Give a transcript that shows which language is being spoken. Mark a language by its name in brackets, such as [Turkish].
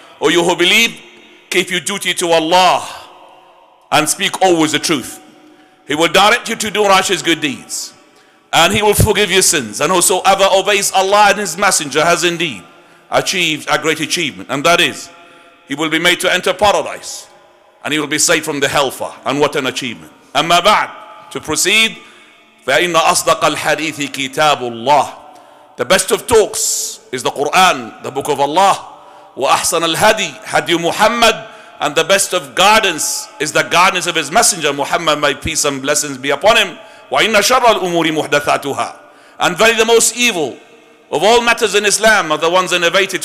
[English] O you who believe, keep your duty to Allah and speak always the truth. He will direct you to do righteous good deeds and He will forgive your sins. And whosoever obeys Allah and His Messenger has indeed achieved a great achievement. And that is, he will be made to enter paradise and he will be saved from the hellfire. And what an achievement. [Arabic] أما بعد, [English] to proceed, [Arabic] فَإِنَّ أَصْدَقَ الْحَدِيثِ كِتَابُ اللَّهِ. [English] The best of talks is the Quran, the book of Allah. [Arabic] Wa ahsan al-hadi, hadi Muhammad. [English] And the best of guidance is the guidance of His Messenger Muhammad, may peace and blessings be upon him. [Arabic] Wa inna sharra al-umuri muhdathatuha. [English] And verily the most evil of all matters in Islam are the ones innovated.